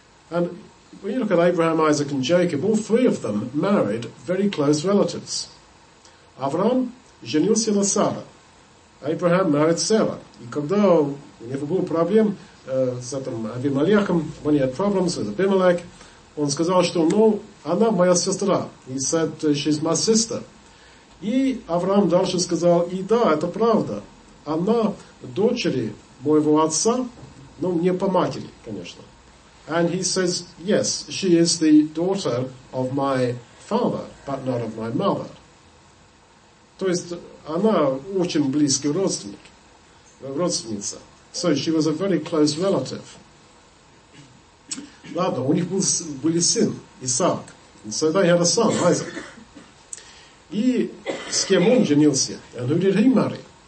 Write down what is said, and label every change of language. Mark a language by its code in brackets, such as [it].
[en] And when you look at Abraham, Isaac and Jacob, all three of them married very close relatives. [ru] Авраам женился на Саре. [en] Abraham married Sarah. [ru] И когда у него был проблем с этим Авимелехом, [en] when he had problems with Abimelech, [ru] он сказал, что, ну, она моя сестра. [en] He said, she's my sister. [ru] И Авраам дальше сказал, и да, это правда. Она дочери моего отца, ну, не по матери, конечно. [en] And he says, yes, she is the daughter of my father, but not of my mother. [ru] То есть, она очень близкий родственник, родственница. [en] So she was a very close relative. [ru] Ладно, у них был сын, Исаак. [en] And so they had a son, Isaac. [ru] И с кем он женился? Он говорит, Реймари.